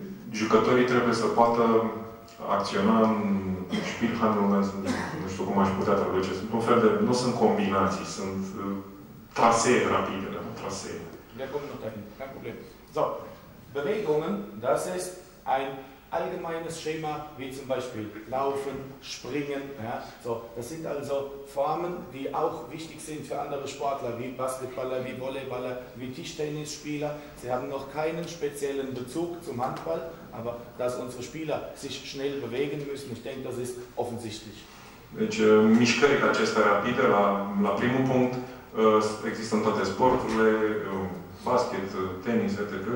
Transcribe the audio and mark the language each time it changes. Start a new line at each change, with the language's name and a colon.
Romanian: Jucătorii trebuie să poată acționa în spielhandlungen, nu știu cum aș putea traduce. Sunt un fel de, nu sunt combinații, sunt trasee rapide, da? Trasee.
German: Wir kommen noch dahin, kein Problem. So, Bewegungen, das ist ein allgemeines Schema, wie zum Beispiel Laufen, Springen. Ja? So, das sind also Formen, die auch wichtig sind für andere Sportler, wie Basketballer, wie Volleyballer, wie Tischtennisspieler. Sie haben noch keinen speziellen Bezug zum Handball, aber dass unsere Spieler sich schnell bewegen müssen, ich denke, das ist offensichtlich.
Romanian: Deci, mișcări ca acestea rapide, la primul punct, există în toate sporturile, basket, tenis, etc.